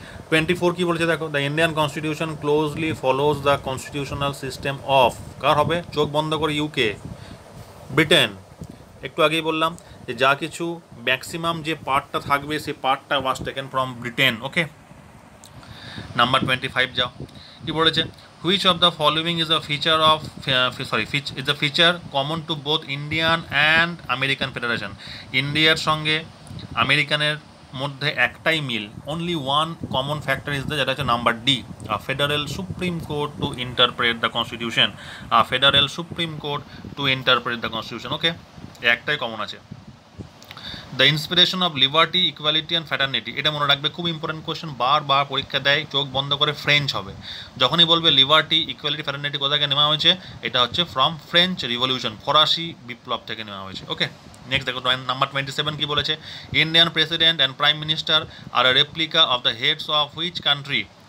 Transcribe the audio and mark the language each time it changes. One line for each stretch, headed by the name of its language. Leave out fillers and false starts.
English: twenty four
Bangla: কী বলছে, দেখো
English: the Indian constitution closely follows the constitutional system of,
Bangla: কার হবে? চোখ বন্ধ করে ইউকে, ব্রিটেন। একটু আগেই বললাম যে যা কিছু ম্যাক্সিমাম যে পার্টটা থাকবে সেই পার্টটা
English: Was taken from Britain.
Bangla: Okay, number twenty five যাও, কী বলেছে,
English: which of the following is a feature of is a feature common to both Indian and American Federation?
Bangla: India সঙ্গে আমেরিকানের মধ্যে একটাই মিল,
English: only one common factor is the,
Bangla: যেটা হচ্ছে number D,
English: a federal supreme court to interpret the constitution, a federal supreme court to interpret the constitution, okay,
Bangla: একটাই common আছে.
English: The inspiration of liberty, equality and fraternity.
Bangla: এটা মনে রাখবে, খুব important question, বারবার পরীক্ষা দেয়, চোখ বন্ধ করে ফ্রেঞ্চ হবে. যখনই বলবে লিবার্টি, ইকুয়ালিটি, ফ্যাটার্নিটি কোথাকে নেওয়া হয়েছে, এটা হচ্ছে
English: from French revolution,
Bangla: ফরাসি বিপ্লব থেকে নেওয়া হয়েছে. ওকে, নেক্সট দেখো নাম্বার 27 কী বলেছে.
English: Indian president and prime minister আর a replica of the heads of which country.